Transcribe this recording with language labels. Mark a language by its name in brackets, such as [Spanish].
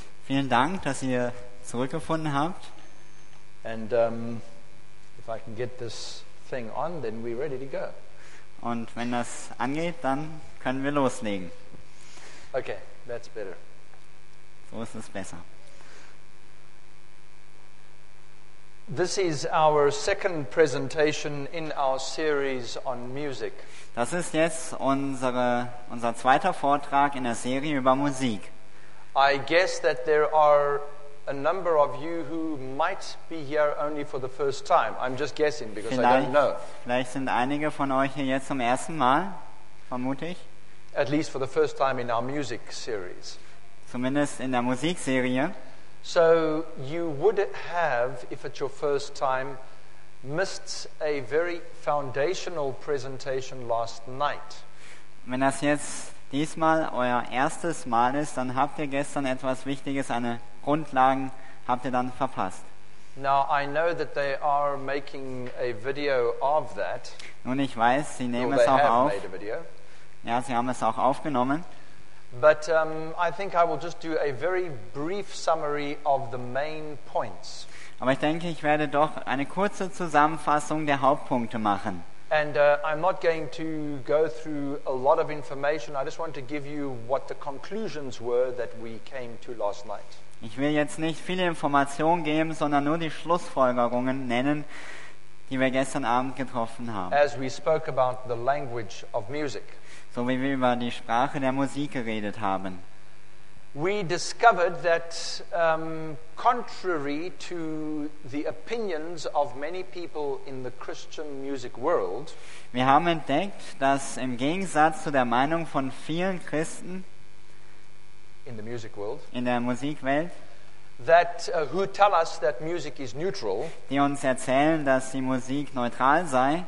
[German] Vielen Dank, dass ihr zurückgefunden habt. [English] And if I can get this thing on, then we're ready to go. [German] Und wenn das angeht, dann können wir loslegen. [English] Okay, that's better. [German] So ist es besser. [English] This is our second presentation in our series on music. [German] Das ist jetzt unser zweiter Vortrag in der Serie über Musik. [English] I guess that there are a number of you who might be here only for the first time. I'm just guessing because [German] vielleicht, [English] I don't know. [German] Vielleicht sind einige von euch hier jetzt zum ersten Mal, vermute ich. [English] At least for the first time in our music series. [German] Zumindest in der Musikserie. [English] So you would have, if it's your first time, missed a very foundational presentation last night. [German] Wenn das jetzt diesmal euer erstes Mal ist, dann habt ihr gestern etwas Wichtiges, eine Grundlagen habt ihr dann verpasst. [English] Now I know that they are making a video of that. [German] Nun ich weiß, sie nehmen es auch auf. Ja, sie haben es auch aufgenommen. [English] But I think I will just do a very brief summary of the main points. [German] Aber ich denke, ich werde doch eine kurze Zusammenfassung der Hauptpunkte machen. [English] And I'm not going to go through a lot of information. I just want to give you what the conclusions were that we came to last night. [German] Ich will jetzt nicht viele Informationen geben, sondern nur die Schlussfolgerungen nennen, die wir gestern Abend getroffen haben. [English] As we spoke about the language of music. [German] So wie wir über die Sprache der Musik geredet haben. [English] We discovered that contrary to the opinions of many people in the Christian music world. [German] Wir haben entdeckt, dass im Gegensatz zu der Meinung von vielen Christen [English] in the music world, [German] in der Musikwelt, [English] that who tell us that music is neutral, [German] die uns erzählen, dass die Musik neutral sei,